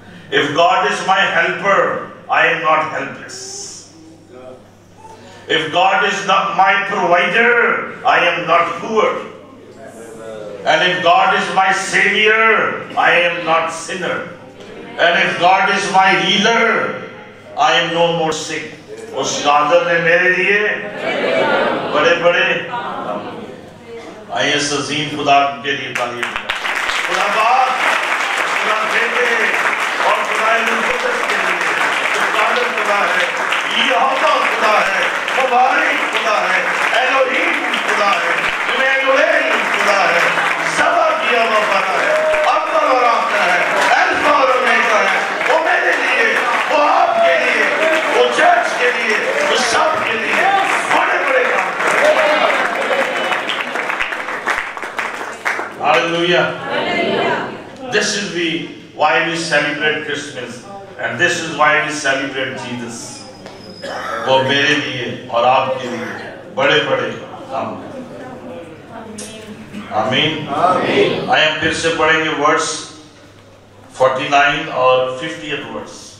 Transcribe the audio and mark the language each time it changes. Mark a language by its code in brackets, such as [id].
[en] If God is my helper, I am not helpless. If God is not my provider, I am not poor. And if God is my savior, I am not sinner. And if God is my healer, I am no more sick. [ur] اس قادر نے میرے لیے بڑے بڑے۔ آئیے اس عظیم خدا کے لیے تعلیم، خدا باپ، خدا بیٹے، اور خدا مقدس کے لیے جو قادر خدا ہے، یہودہ خدا ہے، مبارک خدا ہے، ایلوہیم خدا ہے، ایمانوئیل خدا ہے، سبا کیا وفاتا ہے، اول اور آخر ہے، الفا اور اومیگا ہے، وہ میرے لیے، وہ آپ کے لیے، وہ چرچ کے لیے، وہ سب کے لیے بڑے بڑے کام کرتا ہے۔ Hallelujah. [en] This is why we celebrate Christmas, and this is why we celebrate Jesus. [ur] وہ میرے لیے اور آپ کے لیے بڑے بڑے کام کرتا ہے۔ آمین۔ آئے ہم پھر سے پڑھیں گے ورڈس 49 اور 50th ورڈس۔